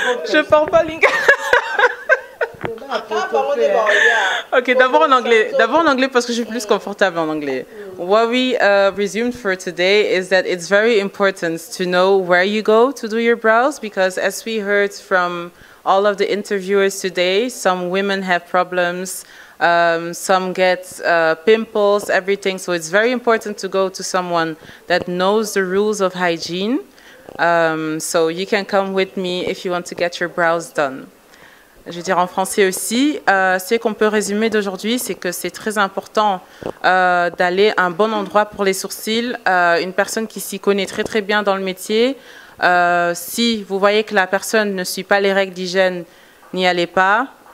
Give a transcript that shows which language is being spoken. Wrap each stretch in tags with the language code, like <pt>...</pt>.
<fr>Je ne parle pas l'ingé. Okay, d'abord en anglais parce que je suis plus confortable en anglais.</fr> <en>What we resumed for today is that it's very important to know where you go to do your brows, because as we heard from all of the interviewers today, some women have problems, some get pimples, everything. So it's very important to go to someone that knows the rules of hygiene. So you can come with me if you want to get your brows done.</en> <fr>Je veux dire en français aussi, ce qu'on peut résumer d'aujourd'hui, c'est que c'est très important d'aller à un bon endroit pour les sourcils. Une personne qui s'y connaît très très bien dans le métier, si vous voyez que la personne ne suit pas les règles d'hygiène, n'y allez pas.</fr>